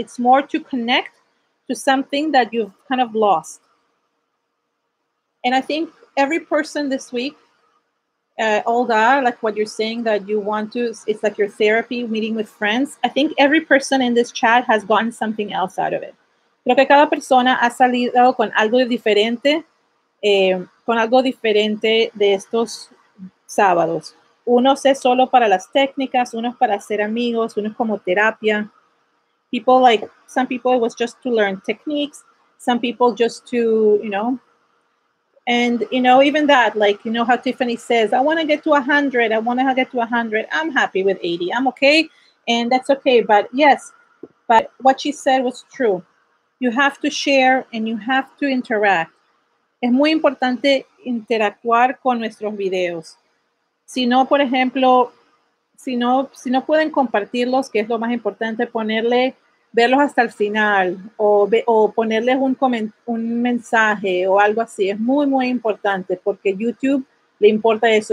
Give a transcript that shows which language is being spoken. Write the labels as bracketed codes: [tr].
[en] It's more to connect to something that you've kind of lost. And I think every person this week, like what you're saying that you want to, it's like your therapy, meeting with friends. I think every person in this chat has gotten something else out of it. [es] Creo que cada persona ha salido con algo diferente, de estos sábados. Unos es solo para las técnicas, unos para hacer amigos, unos como terapia. [en] People like, some people it was just to learn techniques, some people just to, you know, and, you know, even that, like, you know how Tiffany says, I want to get to 100, I want to get to 100, I'm happy with 80, I'm okay, and that's okay. But yes, but what she said was true. You have to share and you have to interact. [es] Es muy importante interactuar con nuestros videos. Si no, por ejemplo, si no pueden compartirlos, que es lo más importante, ponerle, verlos hasta el final o ponerles un mensaje o algo así. Es muy, muy importante porque YouTube le importa eso.